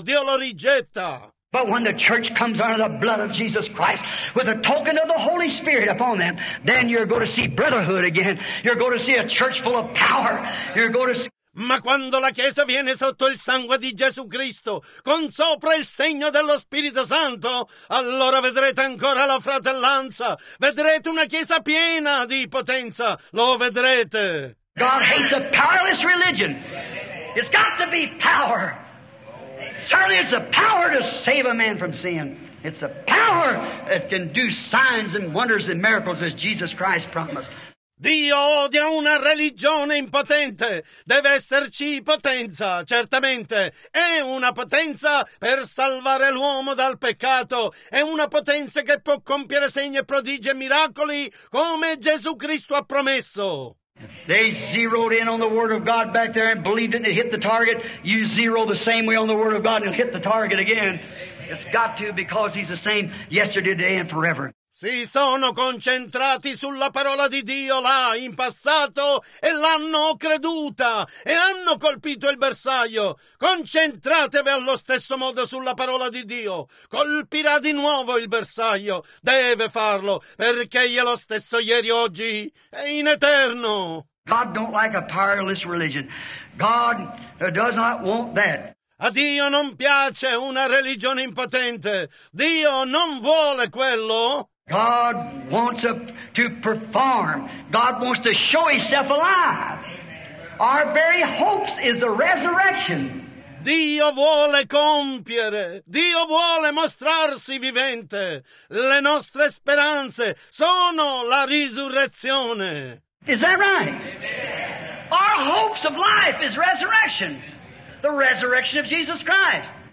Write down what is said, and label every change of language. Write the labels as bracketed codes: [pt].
[it] Dio lo rigetta. [en] But when the church comes under the blood of Jesus Christ with a token of the Holy Spirit upon them, then you're going to see brotherhood again. You're going to see a church full of power. You're going to see... [it] Ma quando la Chiesa viene sotto il sangue di Gesù Cristo, con sopra il segno dello Spirito Santo, allora vedrete ancora la fratellanza, vedrete una Chiesa piena di potenza, lo vedrete. [en] God hates a powerless religion. It's got to be power. Certainly it's the power to save a man from sin. It's the power that can do signs and wonders and miracles as Jesus Christ promised. [it] Dio odia una religione impotente. Deve esserci potenza, certamente. È una potenza per salvare l'uomo dal peccato. È una potenza che può compiere segni e prodigi e miracoli come Gesù Cristo ha promesso. [en] They zeroed in on the Word of God back there and believed it and hit the target. You zero the same way on the Word of God and hit the target again. It's got to because He's the same yesterday, today and forever. [it] Si sono concentrati sulla parola di Dio là in passato e l'hanno creduta e hanno colpito il bersaglio. Concentratevi allo stesso modo sulla parola di Dio. Colpirà di nuovo il bersaglio. Deve farlo perché è lo stesso ieri, oggi e in eterno. [en] God don't like a powerless religion. God does not want that. [it] A Dio non piace una religione impotente. Dio non vuole quello. [en] God wants to perform. God wants to show Himself alive. Our very hopes is the resurrection. [it] Dio vuole compiere. Dio vuole mostrarsi vivente. Le nostre speranze sono la risurrezione. [en] Is that right? Our hopes of life is resurrection. The resurrection of Jesus Christ.